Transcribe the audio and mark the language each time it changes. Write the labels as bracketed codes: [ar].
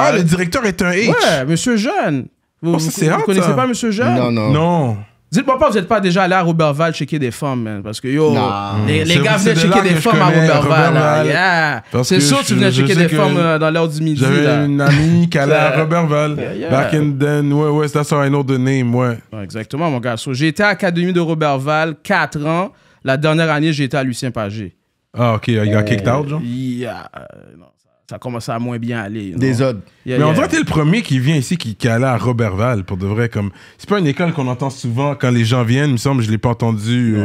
[fr] Ah, le directeur est un H? Ouais, Monsieur Jeune. Vous connaissez pas Monsieur Jeune? Non. Dites-moi pas, vous n'êtes pas déjà allé à Robertval checker des femmes, man. Parce que yo, les gars venaient checker des femmes à Robertval. C'est sûr que tu venais checker des femmes dans l'heure du midi. J'avais là. Une amie qui allait à Robertval. [en] Back in then, ouais, that's how I know the name, ouais. [fr] Exactement, mon gars. So, j'ai été à l'Académie de Robertval 4 ans. La dernière année, j'ai été à Lucien Pagé. Ah, ok, il a kicked out, genre? Yeah. Non, ça, ça a commencé à moins bien aller. Des odds. Yeah, mais on dirait que t'es le premier qui vient ici, qui est allé à Roberval, pour de vrai. Comme... C'est pas une école qu'on entend souvent quand les gens viennent, il me semble, je l'ai pas entendu.